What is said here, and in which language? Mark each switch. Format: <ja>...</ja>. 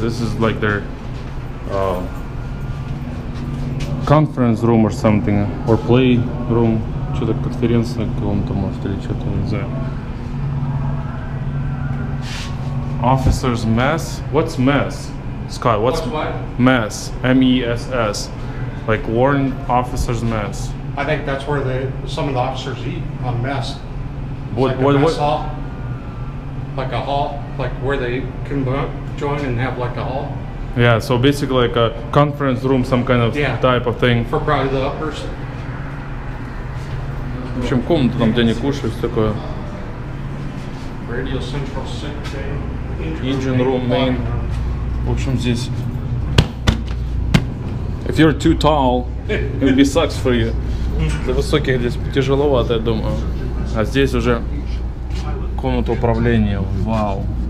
<en>This is like their conference room or something, or play room.</en> <ru>Что-то конференция на каком-то, может, или что-то, не знаю.</ru> <en>Officers mess? What's mess? Scott, what's mess? M-E-S-S. Like, warn officers mess. I think that's where some of the officers eat, on mess. What? Like a hall, like where they can join and have like a hall. Yeah, so basically like a conference room, some kind of type of thing. For probably the uppers.</en> <ru>В общем, комната там, где они кушают, такое.</ru> <en>Radio Central Engine Room Main.</en> <ru>В общем, здесь.</ru> <en>If you're too tall, it would be sucks for you.</en> <ru>Для высоких здесь тяжеловато, я думаю. А здесь уже комната управления. Вау.</ru>